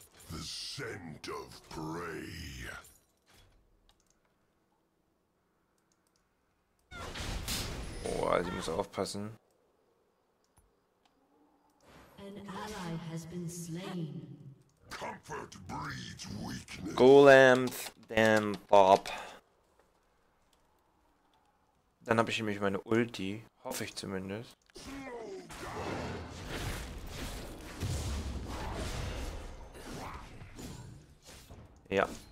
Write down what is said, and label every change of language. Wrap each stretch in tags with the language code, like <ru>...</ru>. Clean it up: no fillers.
<en>The scent of prey.</en> <de>Oh, also ich muss aufpassen.</de> <en>An ally has been slain. Comfort breeds weakness. Golem. Damn, Bob.</en> <de>Dann habe ich nämlich meine Ulti. Hoffe ich zumindest. Ja.</de>